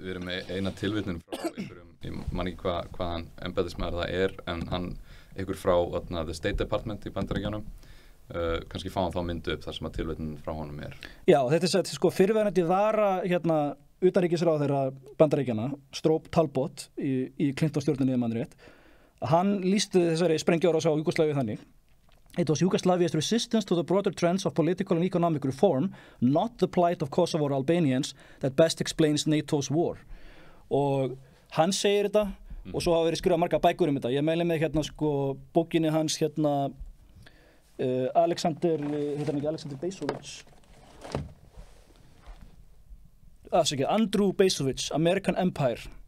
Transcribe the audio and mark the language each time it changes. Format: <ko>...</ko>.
<is>Við erum með eina tilvitnun frá einhverjum, ég man ekki hvaðan embættismaður það er, en hann einhver frá the State Department í Bandaríkjunum. Kannski fá hann þá mynd upp þar sem að tilvitnun frá honum er. Já, þetta er sagt sko fyrirverandi vara hérna utanríkisráðherra Bandaríkjanna, Strobe Talbot í Clinton-stjórninni, man rétt. Hann lýsti þessari sprengjuárás á Júgoslavíu þannig:</is> <en>It was Yugoslavia's resistance to the broader trends of political and economic reform, not the plight of Kosovo or Albanians, that best explains NATO's war.</en> <is>Og hann segir þetta, og svo hafa verið skrifað marga bækur þetta. Ég meili mig hérna sko bókinni hans hérna Alexander Basovich. Andrew Basovich, American Empire.</is>